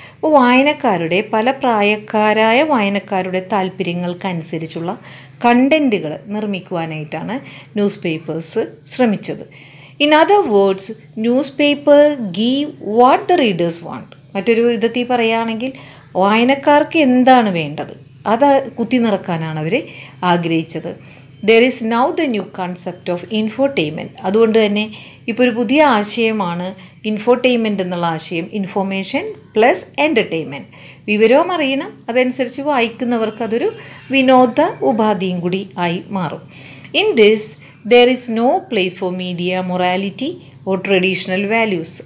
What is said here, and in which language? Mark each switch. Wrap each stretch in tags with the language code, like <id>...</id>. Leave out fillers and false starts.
<ml>ഇപ്പോൾ വായനക്കാരുടെ, പല പ്രായക്കാരായ വായനക്കാരുടെ താല്പര്യങ്ങൾക്കനുസരിച്ചുള്ള കണ്ടൻറ്റുകൾ നിർമ്മിക്കുവാനായിട്ടാണ് ന്യൂസ് പേപ്പേഴ്സ് ശ്രമിച്ചത്.</ml> <en>In other words, newspaper give what the readers want.</en> <ml>മറ്റൊരു വിധത്തിൽ പറയുകയാണെങ്കിൽ വായനക്കാർക്ക് എന്താണ് വേണ്ടത് അത് കുത്തി നിറക്കാനാണ് അവർ ആഗ്രഹിച്ചത്.</ml> <en>There is now the new concept of infotainment.</en> <ml>അതുകൊണ്ട് തന്നെ ഇപ്പോൾ ഒരു പുതിയ ആശയമാണ് ഇൻഫോർടൈൻമെൻറ്റ് എന്നുള്ള ആശയം.</ml> <en>Information plus entertainment.</en> <ml>വിവരവും അറിയണം, അതനുസരിച്ച് വായിക്കുന്നവർക്ക് അതൊരു വിനോദ ഉപാധിയും കൂടി ആയി മാറും.</ml> <en>In this there is no place for media morality or traditional values.</en>